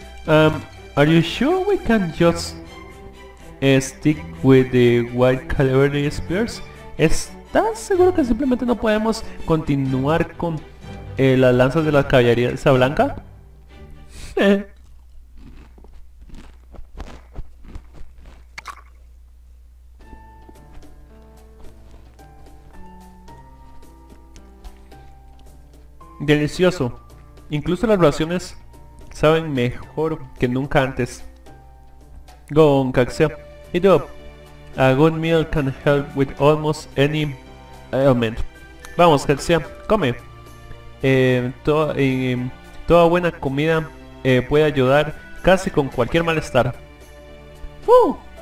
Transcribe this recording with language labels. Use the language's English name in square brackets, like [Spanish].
[English] Are you sure we can just stick with the white cavalry spears? [Spanish] ¿Estás seguro que simplemente no podemos continuar con las lanzas de la caballería esa blanca? Delicioso. Incluso las raciones saben mejor que nunca antes. [English] Go on, Caxia. Eat up. A good meal can help with almost any ailment. [Spanish] Vamos, Caxia, come. Toda buena comida puede ayudar casi con cualquier malestar. ¡Uh!